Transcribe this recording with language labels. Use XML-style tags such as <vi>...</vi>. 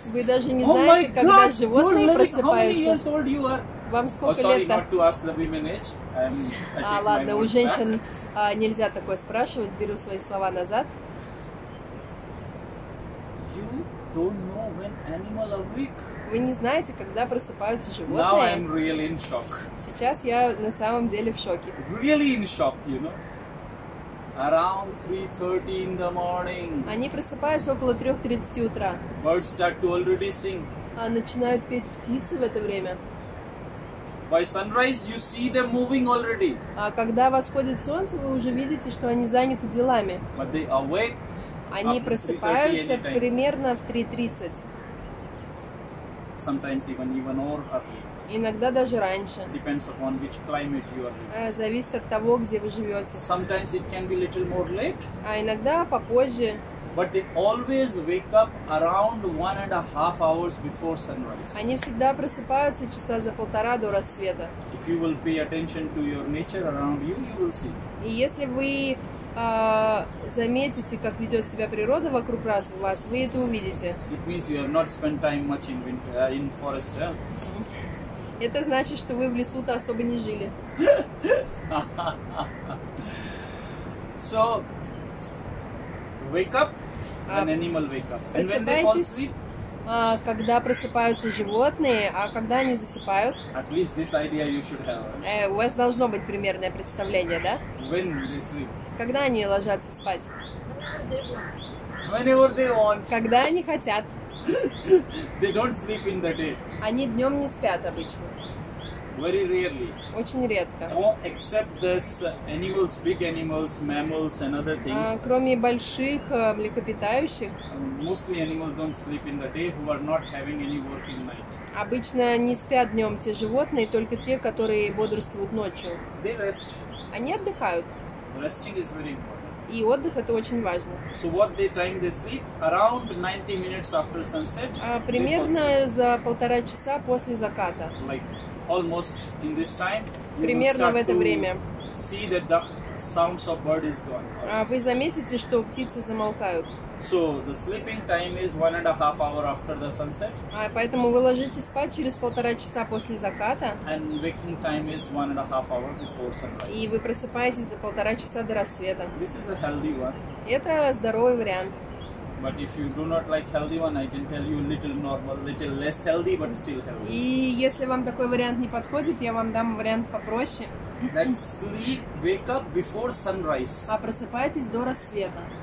<ru>Вы даже не знаете, когда животные просыпаются.</ru> <en>How many years old you are?</en> <ru>Вам сколько лет-то?</ru> <en>Not to ask the women age.</en> <ru>Ладно, у женщин нельзя такое спрашивать. Беру свои слова назад.</ru> <en>You don't know when animal awake.</en> <ru>Вы не знаете, когда просыпаются животные.</ru> <en>Now I'm really in shock.</en> <ru>Сейчас я на самом деле в шоке.</ru> <en>Really in shock, you know. Around 3:30 in the morning.</en> <ru>Они просыпаются около 3:30 утра.</ru> <en>Birds start to already sing.</en> <ru>А начинают петь птицы в это время.</ru> <en>By sunrise you see them moving already.</en> <ru>А когда восходит солнце, вы уже видите, что они заняты делами.</ru> <en>But they awake.</en> <ru>Они просыпаются примерно в 3:30.</ru> <en>Sometimes even early.</en> <ru>Иногда даже раньше.</ru> <en>Depends upon which climate you are in.</en> <ru>Зависит от того, где вы живете.</ru> <en>Sometimes it can be little more late.</en> <ru>А иногда попозже.</ru> <en>But they always wake up around 1.5 hours before sunrise.</en> <ru>Они всегда просыпаются часа за полтора до рассвета.</ru> <en>If you will pay attention to your nature around you, you will see.</en> <ru>И если вы заметите, как ведет себя природа вокруг вас, вы это увидите.</ru> <en>It means you have not spent time much in winter, in forest, yeah?</en> <ru>Это значит, что вы в лесу-то особо не жили.</ru> <en>So, wake up, an animal wake up. And when they fall asleep,</en> <ru>Когда просыпаются животные, а когда они засыпают?</ru> <en>At least this idea you should have.</en> <ru>У вас должно быть примерное представление, да?</ru> <en>When they sleep.</en> <ru>Когда они ложатся спать?</ru> <en>Whenever they want.</en> <ru>Когда они хотят.</ru> <en>They don't sleep in the day.</en> <ru>Они днем не спят обычно.</ru> <en>Very rarely.</en> <ru>Очень редко.</ru> <en>Except these animals, big animals, mammals and other things.</en> <ru>Кроме больших млекопитающих.</ru> <en>Mostly animals don't sleep in the day who are not having any work in night.</en> <ru>Обычно не спят днем те животные, только те, которые бодрствуют ночью.</ru> <en>They rest.</en> <ru>Они отдыхают.</ru> <en>Resting is very important.</en> <ru>И отдых это очень важно.</ru> <en>So what they time they sleep? Around 90 minutes after sunset.</en> <ru>Примерно за полтора часа после заката.</ru> <en>Like almost in this time.</en> <ru>Примерно в это время.</ru> <en>See that the sounds of bird is gone.</en> <ru>Вы заметите, что птицы замолкают.</ru> <en>So the sleeping time is 1.5 hours after the sunset.</en> <ru>Поэтому вы ложитесь спать через полтора часа после заката.</ru> <en>And waking time is 1.5 hours before sunrise.</en> <ru>И вы просыпаетесь за полтора часа до рассвета.</ru> <en>This is a healthy one.</en> <ru>Это здоровый вариант.</ru> <en>But if you do not like healthy one, I can tell you little normal, little less healthy, but still healthy.</en> <ru>И если вам такой вариант не подходит, я вам дам вариант попроще.</ru> <en>Then sleep, wake up before sunrise.</en> <ru>Просыпайтесь до рассвета.</ru>